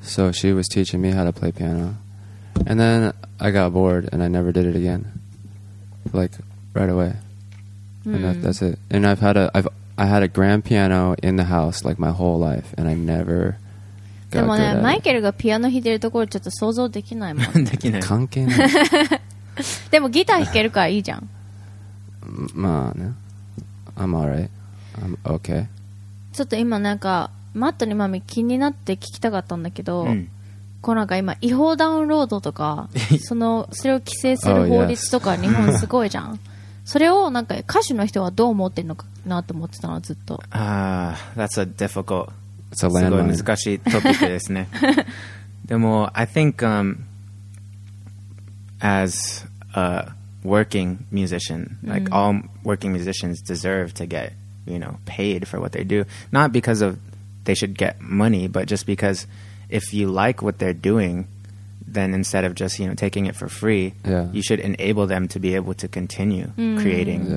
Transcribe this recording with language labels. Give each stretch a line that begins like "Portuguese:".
English: So she was teaching me how to play piano. And then I got bored and I never did it again. Like right away. Mm. And that's it. And I had a grand piano in the house like my whole life, and I never got good at it.
Japanese: マイケルがピアノ弾いてるところちょっと想像できないもん。できない。関係ない。でもギター弾けるからいいじゃん。まあね。
English: I'm alright. I'm okay.
Japanese: ちょっと今なんかマットにマミ気になって聞きたかったんだけど、こうなんか今違法ダウンロードとか、そのそれを規制する法律とか日本すごいじゃん。それをなんか歌手の人はどう思ってんのかなと思ってたのずっと。
English: That's a difficult, it's a landmine.
Japanese: すごい難しいトピックですね。
English: でも I think as a working musician, like all working musicians deserve to get, you know, paid for what they do, not because of they should get money, but just because if you like what they're doing, then instead of just, you know, taking it for free, you should enable them to be able to continue creating.